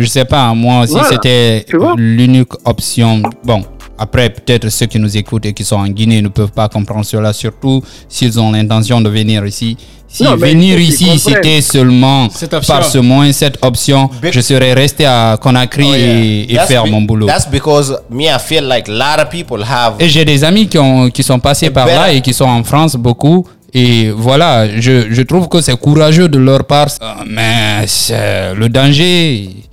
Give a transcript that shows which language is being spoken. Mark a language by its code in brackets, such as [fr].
[fr] Je sais pas, moi, si voilà, c'était l'unique option. Bon, après, peut-être ceux qui nous écoutent et qui sont en Guinée ne peuvent pas comprendre cela, surtout s'ils ont l'intention de venir ici. Si non, venir ici, c'était seulement par ce moins cette option, je serais resté à Conakry mon boulot. [en] That's because me, I feel like a lot of people have. [fr] Et j'ai des amis qui sont passés par là et qui sont en France beaucoup. Et voilà, je trouve que c'est courageux de leur part, mais c'est le danger.